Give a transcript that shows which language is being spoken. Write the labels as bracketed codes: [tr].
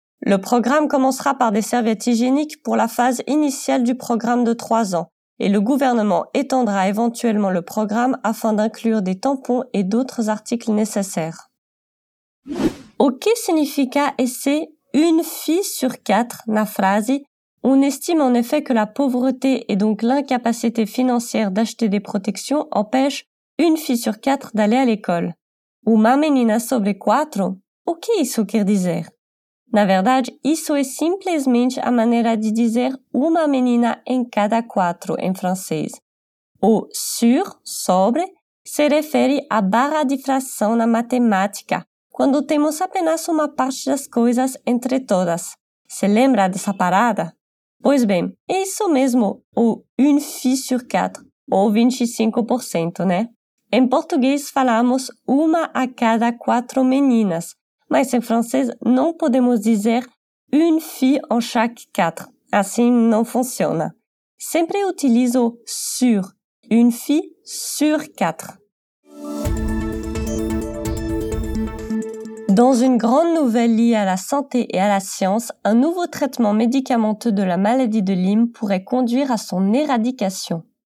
[fr] Le programme commencera par des serviettes hygiéniques pour la phase initiale du programme de 3 ans et le gouvernement étendra éventuellement le programme afin d'inclure des tampons et d'autres articles nécessaires. [pt] O que significa esse [fr] une fille sur quatre [pt] na frase? [fr] On estime en effet que la pauvreté et donc l'incapacité financière d'acheter des protections empêche une fille sur quatre d'aller à l'école. [pt] Uma menina sobre quatro? O que isso quer dizer? Na verdade, isso é simplesmente a maneira de dizer uma menina em cada quatro em francês. O sur, sobre, se refere à barra de fração na matemática. Quando temos apenas uma parte das coisas entre todas. Se lembra dessa parada? Pois bem, é isso mesmo, ou [fr] une fille sur quatre, [pt] ou 25%, né? Em português falamos uma a cada quatro meninas, mas em francês não podemos dizer [fr] une fille en chaque quatre. [pt] Assim não funciona. Sempre utilizo sur, [fr] une fille sur quatre. Dans une grande nouvelle liée à la santé et à la science, un nouveau traitement médicamenteux de la maladie de Lyme pourrait conduire à son éradication.